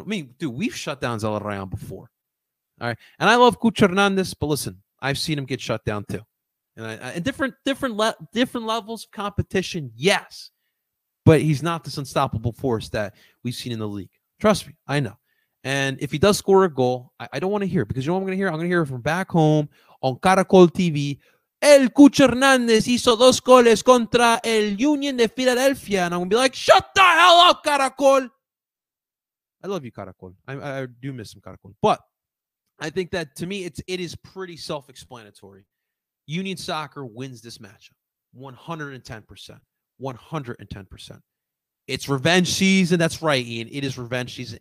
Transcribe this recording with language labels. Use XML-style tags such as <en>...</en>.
<en>I mean, dude, we've shut down Zalarayan before. All right. And I love Cucho Hernandez, but listen, I've seen him get shut down too. And different levels of competition, yes. But he's not this unstoppable force that we've seen in the league. Trust me, I know. And if he does score a goal, I don't want to hear it. Because you know what I'm going to hear? I'm going to hear it from back home on Caracol TV.</en> <es>El Cucho Hernandez hizo dos goles contra el Union de Philadelphia.</es> <en>And I'm going to be like, shut the hell up, Caracol. I love you, Caracol. I do miss some Caracol. But I think that, to me, it is pretty self-explanatory. Union soccer wins this matchup 110%. 110%. It's revenge season. That's right, Ian. It is revenge season.</en>